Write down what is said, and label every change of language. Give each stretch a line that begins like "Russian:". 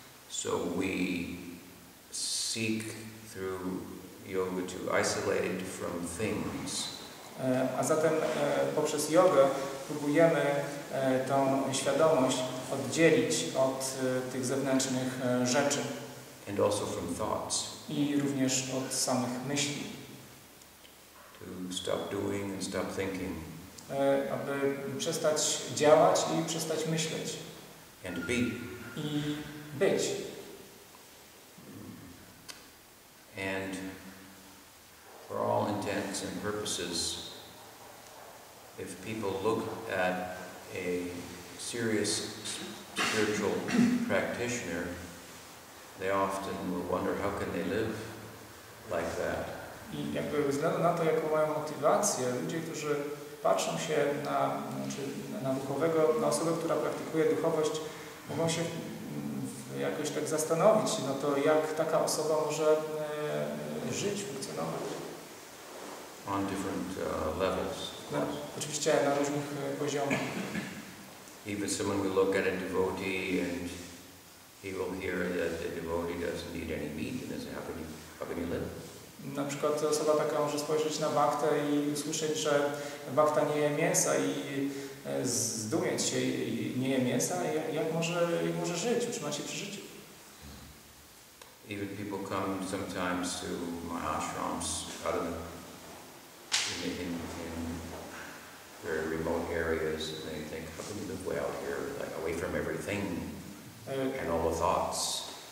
English: So we seek through yoga to isolate it from things.
Polish: A zatem poprzez jogę próbujemy tą świadomość oddzielić od tych zewnętrznych rzeczy.
English: And also from thoughts.
Polish: I również od samych myśli.
English: To stop doing and stop thinking.
Polish: Aby przestać działać i przestać myśleć.
English: And be.
Polish: I być.
English: And for all intents and purposes, if people look at a serious spiritual practitioner, they often will wonder how can they live like that.
Polish: I jakby ze względu na to, jaką mają motywację, ludzie, którzy patrzą się na, znaczy na duchowego, na osobę, która praktykuje duchowość, mogą się jakoś tak zastanowić, no to jak taka osoba może żyć, funkcjonować.
English: On different levels.
Polish: No, oczywiście na różnych poziomach.
English: Even someone will look at a devotee and he will hear that the devotee doesn't need any meat and is how can you live?
Polish: Na przykład osoba taka może spojrzeć na bhaktę i usłyszeć, że bhakta nie je mięsa i zdumieć się, nie je mięsa, jak może żyć, utrzymać się przy życiu.
English: Even people come sometimes to my ashrams in very remote areas and they think, how can you live way out here, like away from everything and all the thoughts.